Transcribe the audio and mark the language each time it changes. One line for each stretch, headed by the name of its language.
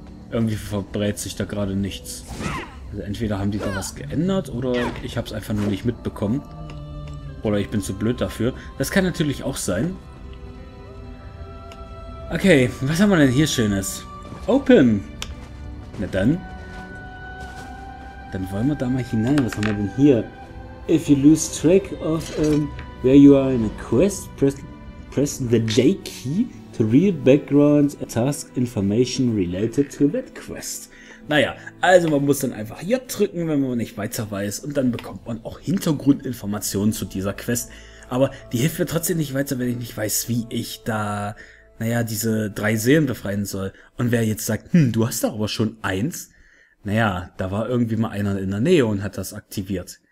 German: Irgendwie verbrät sich da gerade nichts. Also entweder haben die da was geändert oder ich habe es einfach nur nicht mitbekommen. Oder ich bin zu blöd dafür. Das kann natürlich auch sein. Okay, was haben wir denn hier Schönes? Open! Na dann. Dann wollen wir da mal hinein. Was haben wir denn hier?
English: If you lose track of where you are in a quest, press the J key. Real Background Task Information Related to that Quest.
German: Naja, also man muss dann einfach J drücken, wenn man nicht weiter weiß. Und dann bekommt man auch Hintergrundinformationen zu dieser Quest. Aber die hilft mir trotzdem nicht weiter, wenn ich nicht weiß, wie ich da, naja, diese drei Seelen befreien soll. Und wer jetzt sagt, du hast doch aber schon eins. Naja, da war irgendwie mal einer in der Nähe und hat das aktiviert.